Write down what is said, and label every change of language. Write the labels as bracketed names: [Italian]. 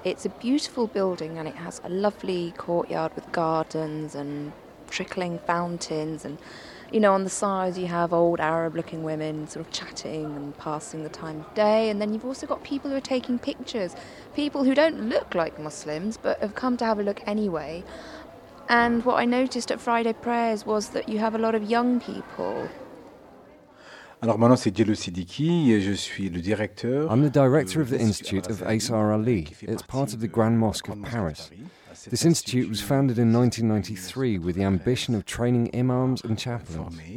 [English] It's a beautiful building and it has a lovely courtyard with gardens and trickling fountains, and you know, on the sides you have old Arab looking women sort of chatting and passing the time of day, and then you've also got people who are taking pictures, people who don't look like Muslims but have come to have a look anyway. And what I noticed at Friday prayers was that you have a lot of young people. [French] Alors maintenant c'est Diallo Siddiqui et je suis le directeur. [English] I'm the director of the Institute of Aysar Ali. It's part of the Grand Mosque of Paris. This institute was founded in 1993 with the ambition of training imams and chaplains.